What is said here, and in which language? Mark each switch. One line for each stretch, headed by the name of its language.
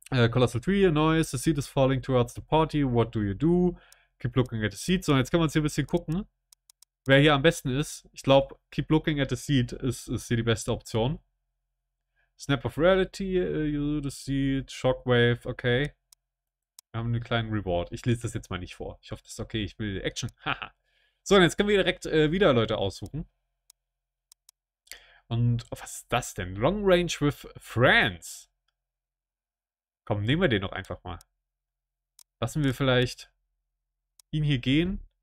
English: Colossal Tree, a noise. The seed is falling towards the party. What do you do? Keep looking at the seed.
German: So, jetzt können wir uns hier ein bisschen gucken, wer hier am besten ist. Ich glaube,
English: keep looking at the seed
German: ist hier die beste Option.
English: Snap of Reality, you the seed, Shockwave, okay.
German: Wir haben einen kleinen Reward. Ich lese das jetzt mal nicht vor. Ich hoffe, das ist okay. Ich will Action. Haha. So, und jetzt können wir direkt wieder Leute aussuchen. Und was ist das denn? Long Range with Friends. Komm, nehmen wir den doch einfach mal. Lassen wir vielleicht ihn hier gehen.